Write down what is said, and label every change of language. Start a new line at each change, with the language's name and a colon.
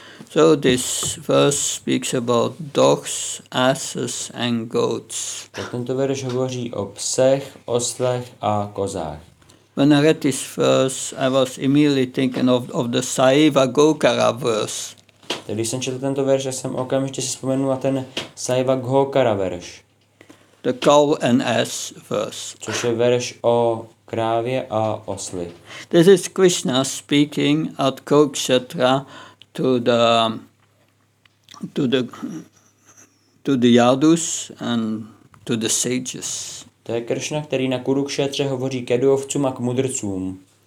English: So this verse speaks about dogs, asses and goats.
Czech: Tento verš hovoří o psech, oslech a kozách.
English: When I read this verse, I was immediately thinking of the Saiva Gokara verse.
Czech: Tedy jsem četl tento verš, já jsem okamžitě si vzpomenul na ten Saiva Ghokara verš.
English: The cow and ass verse.
Czech: Což je verš o krávě a osli.
English: This is Krishna speaking at Kurukshetra to the Yadus and to the sages.
Czech: To je Krishna, který na Kurukshetře hovoří k jadovcům a k mudrcům.